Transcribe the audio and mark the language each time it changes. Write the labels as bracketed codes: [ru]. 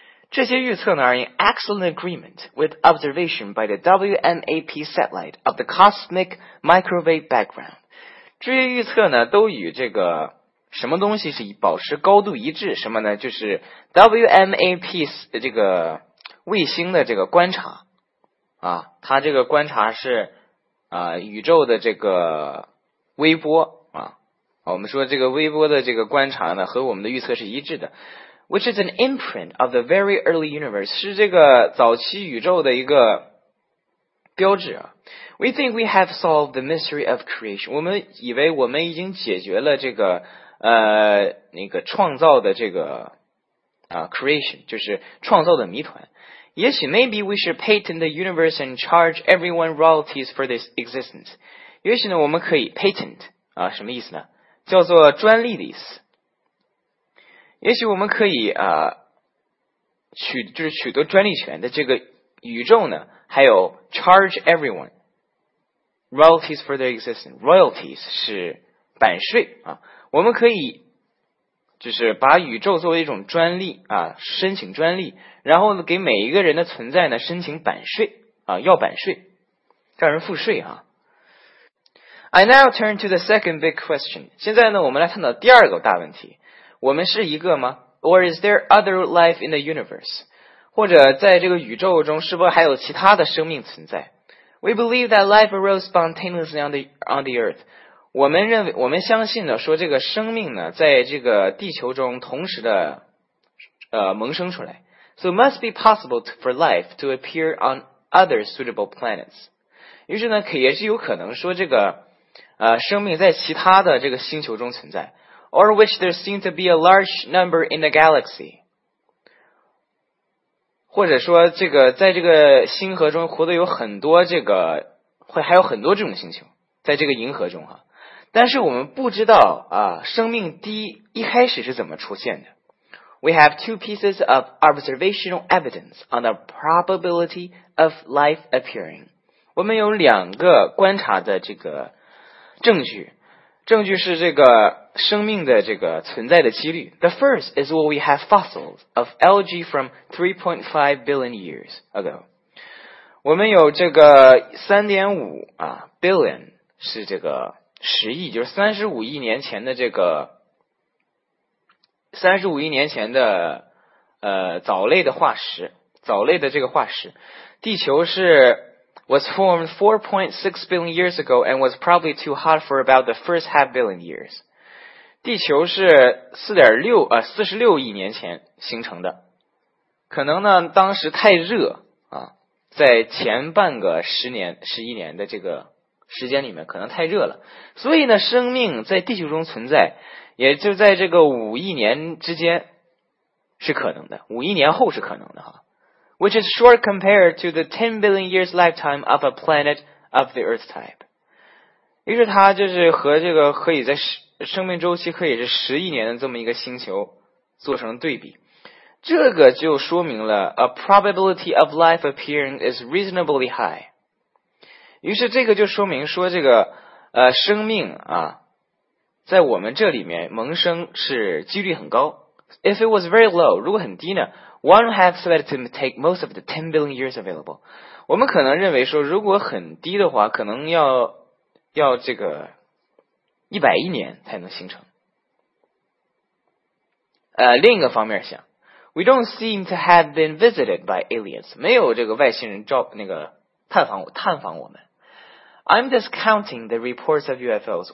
[zh] 这些预测呢 [en] are in excellent agreement with observation by the WMAP satellite of the cosmic microwave background， [zh] 这些预测呢都与这个什么东西是保持高度一致，什么呢就是 WMAP 这个卫星的这个观察它这个观察是宇宙的这个微波我们说这个微波的这个观察呢和我们的预测是一致的， [en] which is an imprint of the very early universe, [zh] 是这个早期宇宙的一个标志啊。 [en] We think we have solved the mystery of creation. [zh] 我们以为我们已经解决了这个那个创造的这个creation, 就是创造的谜团。也许 [en] maybe we should patent the universe and charge everyone royalties for this existence. [zh] 也许呢我们可以 patent, 什么意思呢叫做专利的意思。也许我们可以就是取得专利权的这个宇宙呢还有 [en] charge everyone royalties for their existence. [zh] Royalties 是版税啊我们可以就是把宇宙作为一种专利啊申请专利然后给每一个人的存在呢申请版税啊要版税让人付税啊。 [en] I now turn to the second big question. [zh] 现在呢我们来探讨第二个大问题。我们是一个吗 [en] ?Or is there other life in the universe? [zh] 或者在这个宇宙中是不是还有其他的生命存在 ? [en] We believe that life arose spontaneously on the earth. [zh] 我们认为我们相信呢说这个生命呢在这个地球中同时的萌生出来。 [en] So it must be possible for life to appear on other suitable planets. [zh] 于是呢也是有可能说这个生命在其他的这个星球中存在。 [en] Or which there seem to be a large number in the galaxy. [zh] 或者说这个在这个星河中活得有很多这个会还有很多这种星球在这个银河中啊。但是我们不知道啊生命一开始是怎么出现的。 [en] We have two pieces of observational evidence on the probability of life appearing. [zh] 我们有两个观察的这个证据。证据是这个生命的这个存在的几率。 [en] The first is what we have fossils of algae from 3.5 billion years ago. [zh] 我们有这个 3.5 billion 是这个十亿就是35亿年前的这个35亿年前的藻类的化石藻类的这个化石。地球是 [en] was formed 4.6 billion years ago and was probably too hot for about the first half billion years. [zh] 地球是 46 亿年前形成的。可能呢当时太热啊在前半个11年的这个时间里面可能太热了。所以呢生命在地球中存在也就在这个5亿年之间是可能的 ,5 亿年后是可能的啊。 [en] Which is short compared to the 10 billion years lifetime of a planet of the Earth type. [zh] 于是它就是和这个可以在生命周期可以是10亿年的这么一个星球做成对比。这个就说明了 [en] a probability of life appearing is reasonably high. [zh] 于是这个就说明说这个生命啊在我们这里面萌生是几率很高。 [en] If it was very low, [zh] 如果很低呢 [en] one would have said to take most of the 10 billion years available. [zh] 我们可能认为说如果很低的话可能要这个100亿年才能形成。另一个方面想 [en] we don't seem to have been visited by aliens. [zh] 没有这个外星人探访我们。 [en] I'm discounting the reports of UFOs.